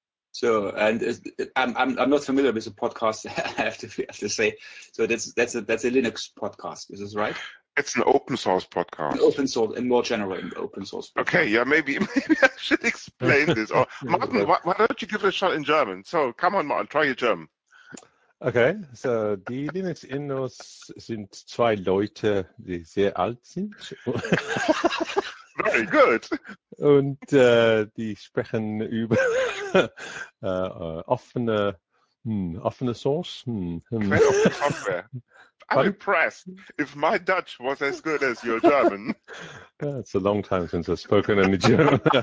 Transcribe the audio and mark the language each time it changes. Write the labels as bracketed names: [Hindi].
[English] So, and I'm not familiar with the podcast, I have to say. So that's a Linux podcast, is this right? It's an open source podcast. Open source, and more general, an open source podcast. Okay, yeah, maybe I should explain this. Or Martin, why don't you give it a shot in German? So, come on, Martin, try your German. Okay, so the [German] Linux Innos sind zwei Leute, die sehr alt sind. [English] Very good. [German] Und die sprechen über offene Source. [English] Software. I'm impressed. If my Dutch was as good as your German. It's a long time since I've spoken any German.